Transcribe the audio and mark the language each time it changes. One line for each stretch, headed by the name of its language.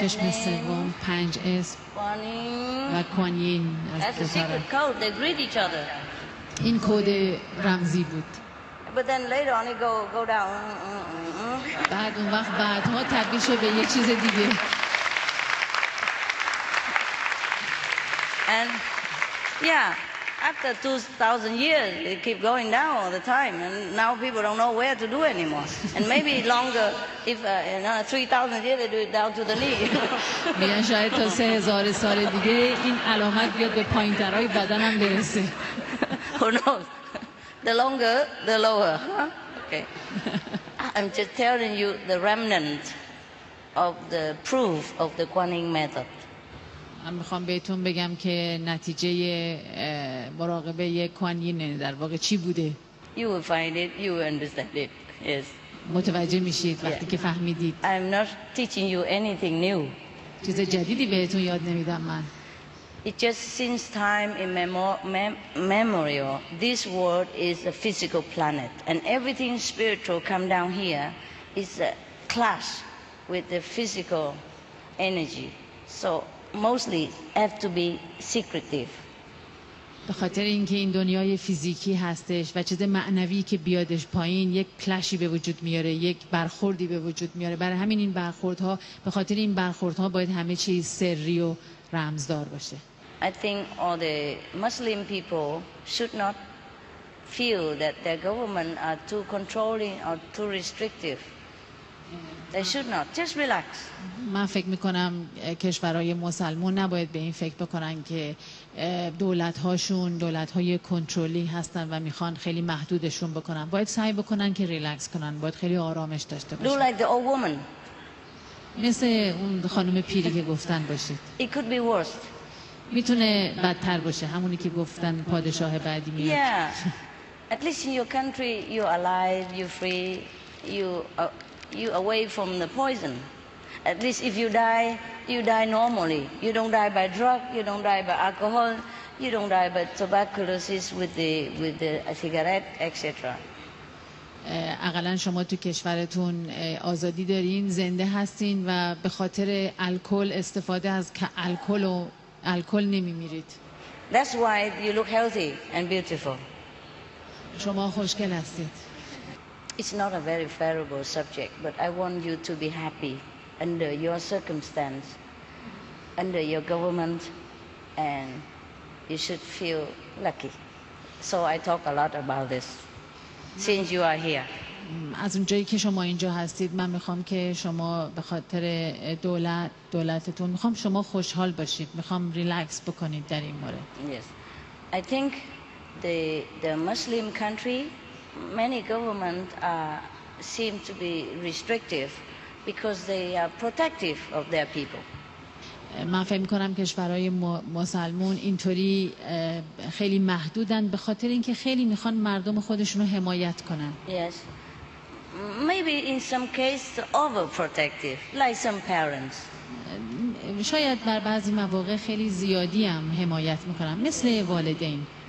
Persian: چشم سوم، پنج اسم و کوان یین.
English: That's a secret code. They greet each other.
Persian: این کد رمزی بود.
English: But then later on it go down. Mm-hmm.
Persian: بعد اون وقت بعد ما تبدیل شد به یه چیز دیگه.
English: And yeah, after 2000 years it keep going down all the time and now people don't know where to do anymore. And maybe longer if another 3000 years they do it down to the knee.
Persian: میگن شاید تا 3000 سال دیگه این علامت بیاد به پایین‌ترهای بدنم برسه.
English: Who knows? The longer, the lower. Huh? Okay. I'm just telling you the remnant of the proof of the Kuan Yin method.
Persian: من میخوام بهتون بگم که نتیجه مراقبه کوان یین در واقع چی بوده.
English: You will find it, you will understand it. Yes.
Persian: متوجه میشید وقتی که فهمیدید.
English: I'm not teaching you anything new.
Persian: چیز جدیدی بهتون یاد نمیدم من.
English: It just since time immemorial, this world is a physical planet, and everything spiritual come down here is a clash with the physical energy. So mostly have to be secretive.
Persian: به خاطر اینکه این دنیای فیزیکی هستش و چیز معنوی که بیادش پایین یک کلشی به وجود میاره، یک برخوردی به وجود میاره. برای همین این برخوردها، به خاطر این برخوردها باید همه چیز سری و رمزدار باشه.
English: I think all the Muslim people should not feel that their government are too controlling or too restrictive. They should not. Just relax.
Persian: من فکر میکنم کشورهای مسلمان نباید به این فکر بکنن که دولت‌هاشون دولت‌های کنترلی هستن و میخوان خیلی محدودشون بکنن. باید سعی بکنن که ریلکس کنن. باید خیلی آرامش داشته باشن.
English: Do like the old woman.
Persian: مثل اون خانم پیری که گفتن باشید.
English: It could be worse.
Persian: میتونه بدتر باشه همونی که گفتن پادشاه بعدی میاد.
English: Yeah. At least in your country you are alive, you free, you away from the poison. At least if you die, you die normally. You don't die by drug, you don't die by alcohol, you don't die by tuberculosis with the cigarette, etc.
Persian: اقلن شما تو کشورتون آزادی دارین، زنده هستین و به خاطر الکل استفاده از الکل و الکل نمیمیرید.
English: That's why you look healthy and beautiful.
Persian: شما خوشگل هستید.
English: It's not a very favorable subject, but I want you to be happy under your circumstance, under your government, and you should feel lucky. So I talk a lot about this since you are here.
Persian: از اونجایی که شما اینجا هستید من میخوام که شما به خاطر دولتتون میخوام شما خوشحال باشید میخوام ریلکس بکنید در این مورد
English: Yes I think the Muslim country many government seem to be restrictive because they are protective of their people
Persian: من فهم میکنم کشورهای مسلمون اینطوری خیلی محدودن به خاطر اینکه خیلی میخوان مردم خودشون رو حمایت کنن
English: Yes Maybe in some cases overprotective, like some parents.
Persian: شاید در بعضی مواقع خیلی زیادی هم حمایت میکنم مثل والدین.